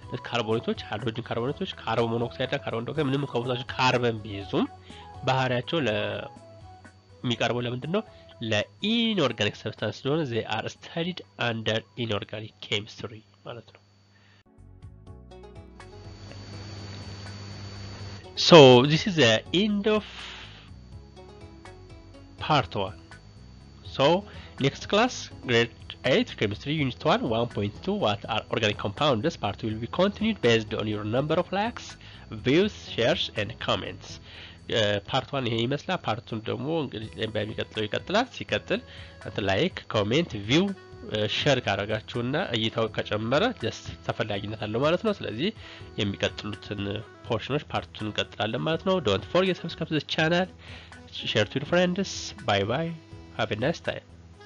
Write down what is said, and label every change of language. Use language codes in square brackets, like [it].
[am] ካርቦኔቶች ሃይድሮጅን ካርቦኔቶች ካርቦን ሞኖክሳይድ እና ካርቦን ዳይኦክሳይድ ምንም ከውስጣቸው ካርበን ቢይዙም ባህሪያቸው ለሚቀርበው ለምንድነው ለኢንኦርጋኒክ ሰብስታንስ ስለሆነ [en] they are studied under inorganic chemistry [am] ማለት ነው [en] so this is the end of part 1 So, next class, grade 8, chemistry, unit 1, 1.2, what are organic compounds? This part will be continued based on your number of likes, views, shares, and comments. [am] Part 1 ይሄ ይመስላል part 2 ደግሞ እንግዲህ በሚቀጥለው ይቀጥላል ሲቀጥል አንተ ላይክ ኮሜንት ቪው ሼር ካረጋችሁና እይታው ከጨመረ ደስ ተፈላጊነት አለው ማለት ነው ስለዚህ የሚቀጥሉትን ፖርሽኖች part 2 እንቀጥላለን ማለት ነው [en] don't forget to subscribe to the channel share to your friends bye bye have a nice time